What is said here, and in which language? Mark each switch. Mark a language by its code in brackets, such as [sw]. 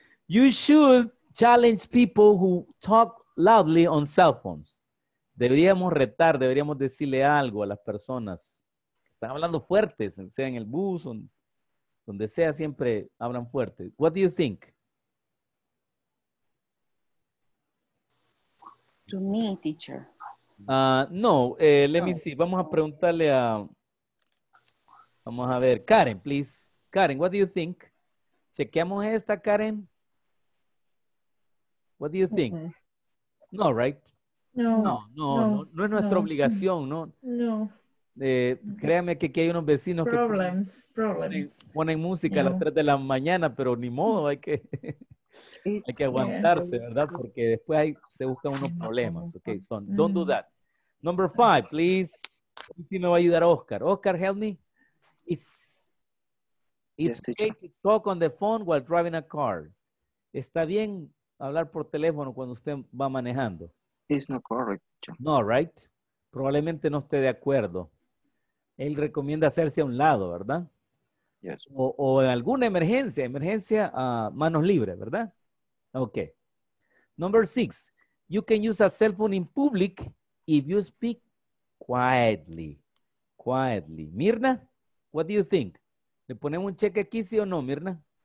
[en] You should challenge people who talk loudly on cell phones. [es] Deberíamos retar, deberíamos decirle algo a las personas. Están hablando fuertes, sea en el bus o en... Donde sea, siempre hablan fuerte. [en] What do you think? To me, teacher. Let me see. [es] Vamos a preguntarle a... Vamos a ver. [en] Karen, please. Karen, what do you think? [es] ¿Chequeamos esta, Karen? [en] What do you think? Mm-hmm. No, right? [es] No. No es nuestra obligación, ¿no? No. Créame que aquí hay unos vecinos [en] problems. [es] Ponen música a las 3 de la mañana, pero ni modo, hay que aguantarse, ¿verdad? Porque después ahí se buscan unos problemas. [en] Okay, so don't do that. Number 5, please. [es] Si me va a ayudar Oscar. [en] Oscar, help me. Okay to talk on the phone while driving a car. [es] ¿Está bien hablar por teléfono cuando usted va manejando? [en] It's not correct. No, right? [es] Probablemente no esté de acuerdo. Él recomienda hacerse a un lado, ¿verdad? [en] Yes. [es] O en alguna emergencia, manos libres, ¿verdad? [en] Okay. Number 6. You can use a cell phone in public if you speak quietly. Quietly. Mirna, what do you think? [es] ¿Le ponemos un cheque aquí, sí o no, Mirna?